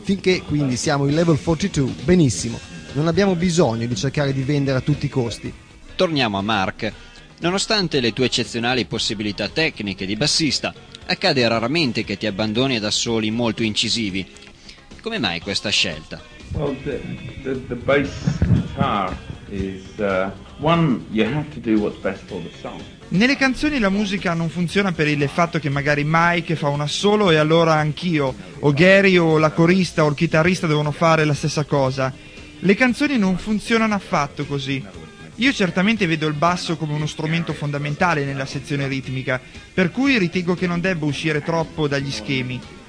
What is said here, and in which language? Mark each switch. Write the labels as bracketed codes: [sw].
[it] Finché quindi siamo i Level 42, benissimo, non abbiamo bisogno di cercare di vendere a tutti i costi. Torniamo a Mark. Nonostante le tue eccezionali possibilità tecniche di bassista, accade raramente che ti abbandoni da soli molto incisivi. Come mai questa scelta? [en] Well, the bass guitar is one you have to do what's best for the song. [it] Nelle canzoni la musica non funziona per il fatto che magari Mike fa un assolo e allora anch'io, o Gary o la corista o il chitarrista devono fare la stessa cosa. Le canzoni non funzionano affatto così. Io certamente vedo il basso come uno strumento fondamentale nella sezione ritmica, per cui ritengo che non debba uscire troppo dagli schemi.